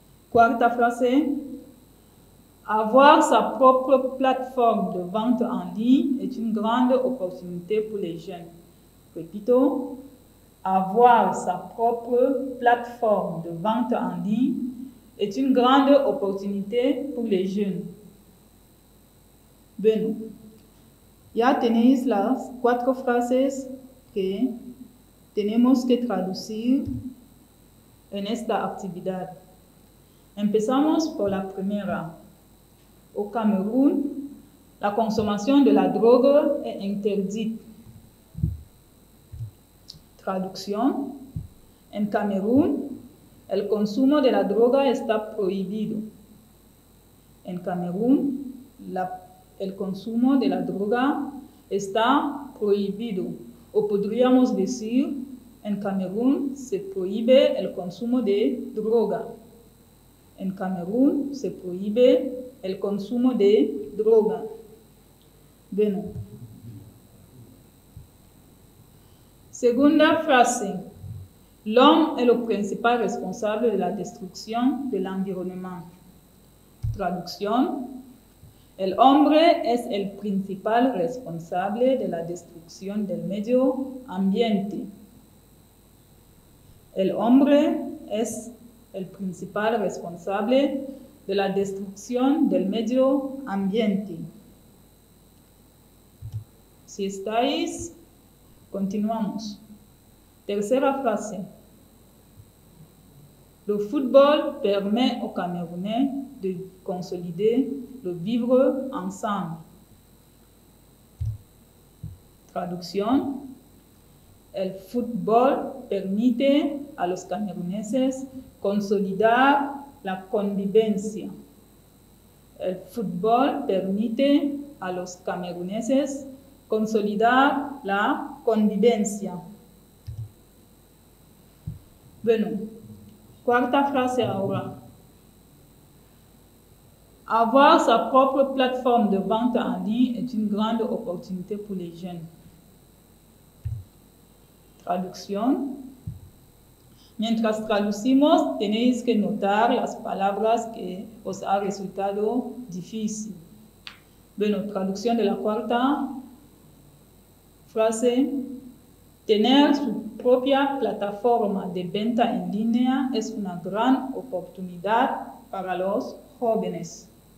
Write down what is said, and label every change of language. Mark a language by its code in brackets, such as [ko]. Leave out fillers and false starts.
[fr] Quarta phrase, avoir sa propre plateforme de vente en ligne est une grande opportunité pour les jeunes. [es] Repito, [fr] avoir sa propre plateforme de vente en ligne est une grande opportunité pour les jeunes. [es] Bueno, ya tenéis las cuatro frases que tenemos que traducir en esta actividad. Empezamos por la primera. [fr] Au Cameroun, la consommation de la drogue est interdite. [es] Traducción. En Cameroun, el consumo de la droga está prohibido. En Camerún, el consumo de la droga está prohibido. O podríamos decir, en Camerún se prohíbe el consumo de droga. En Camerún se prohíbe el consumo de droga. Bueno, Segunda frase. [fr] L'homme est le principal responsable de la destruction de l'environnement. Traduction. [es] El hombre es el principal responsable de la destrucción del medio ambiente. El hombre es el principal responsable de la destrucción del medio ambiente. Si estáis, continuamos. Tercera frase. [fr] Le football permet aux Camerounais de consolider le vivre ensemble. [es] Traduction. El football permite a los cameruneses consolidar la convivencia. El football permite a los cameruneses consolidar la convivencia. Bueno, cuarta frase ahora. [fr] Avoir sa propre plateforme de vente en ligne est une grande opportunité pour les jeunes. [es] Traducción. Mientras traducimos, tenéis que notar las palabras que os ha resultado difícil. Bueno, traducción de la cuarta frase. Tener su propia plataforma de venta en línea es una gran oportunidad para los jóvenes.